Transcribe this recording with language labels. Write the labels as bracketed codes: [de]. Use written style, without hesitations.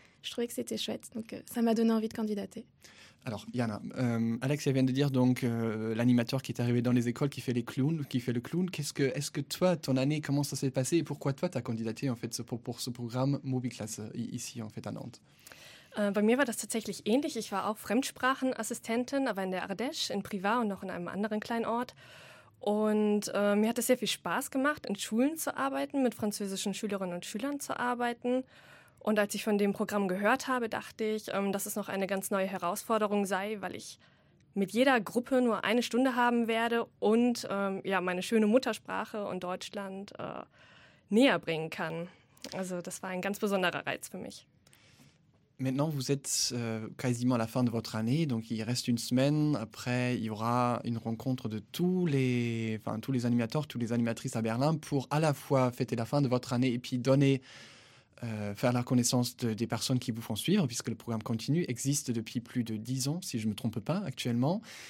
[fr] Je trouvais que c'était chouette, donc ça m'a donné envie de candidater. Alors, Yana, Alexia vient de dire donc l'animateur qui est arrivé dans les écoles, qui fait le clown. Est-ce que toi, ton année, comment ça s'est passé et pourquoi toi, tu as candidaté en fait pour ce programme Mobi Class ici en fait à Nantes? [de] Bei mir war das tatsächlich ähnlich. Ich war auch Fremdsprachenassistentin, aber in der Ardèche, in Privas und noch in einem anderen kleinen Ort. Und mir hat es sehr viel Spaß gemacht, in Schulen zu arbeiten, mit französischen Schülerinnen und Schülern zu arbeiten. Und als ich von dem Programm gehört habe, dachte ich, dass es noch eine ganz neue Herausforderung sei, weil ich mit jeder Gruppe nur eine Stunde haben werde und meine schöne Muttersprache und Deutschland näher bringen kann. Also das war ein ganz besonderer Reiz für mich. [fr] Maintenant, vous êtes quasiment à la fin de votre année, donc il reste une semaine. Après, il y aura une rencontre de tous les animateurs, toutes les animatrices à Berlin pour à la fois fêter la fin de votre année et puis faire la connaissance des personnes qui vous font suivre, puisque le programme continue, existe depuis plus de 10 ans, si je ne me trompe pas, actuellement.